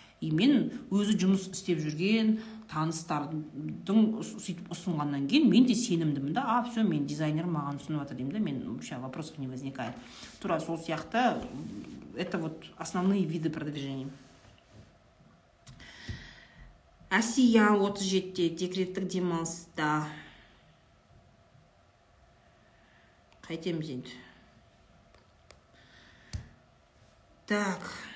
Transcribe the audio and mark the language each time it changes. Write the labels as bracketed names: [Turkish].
[Kazakh] И мен өзі жұмыс істеп жүрген таныстардың сөйтіп ұсынғаннан кейін мен де сенімдімін да, а, все, мен дизайнер маған ұсынып жатыр деймін де, мен [Russian] вообще вопросов не возникает. [Kazakh] Тура сол сияқты, [Russian] это вот основные виды продвижения. [Kazakh] Асия 37-те декреттік демалыста. Қайтеміз енді. [Russian] Так.